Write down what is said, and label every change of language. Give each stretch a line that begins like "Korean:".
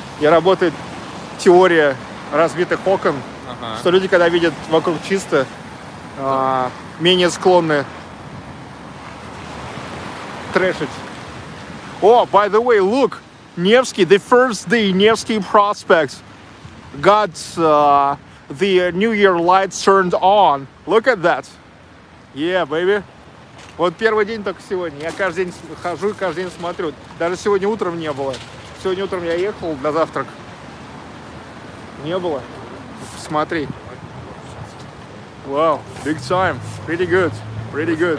Russian: И работает теория разбитых окон, ага, что люди, когда видят вокруг чисто, да, менее склонны трэшить.
English: Oh, by the way, look, Nevsky, the first day Nevsky Prospect got the New Year light turned on. Look at that. Yeah, baby.
Russian: Вот первый день только сегодня. Я каждый день хожу и каждый день смотрю. Даже сегодня утром не было. Сегодня утром я ехал на завтрак. Не было. Смотри.
English: Wow, big time. Pretty good. Pretty good.